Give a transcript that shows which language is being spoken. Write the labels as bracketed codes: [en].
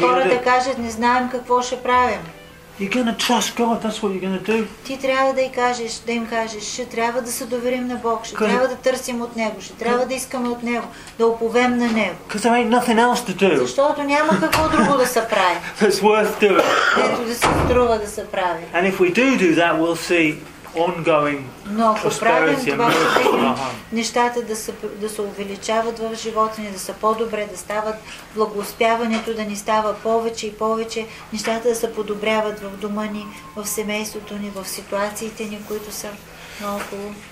[bg] Хората кажат, не знаем какво ще правим. [en] You're going to trust God. That's what you're going to do. [bg] Ти трябва да кажеш, да им кажеш, ще трябва да се доверим на Бог, ще трябва да търсим от него, ще трябва да искаме от него, да уповем на него. [en] Because there ain't nothing else to do. [bg] Защото няма какво друго да се прави. [en] It's worth doing. [bg] Ето да се струва да се прави. [en] And if we do that, we'll see ongoing prosperity and miracles in our home. [bg] Нещата да се увеличават в живота ни, да са по-добре, да стават благоуспяването, да ни става повече и повече, нещата да се подобряват в дома ни, в семейството ни, в ситуациите ни, които са наоколо.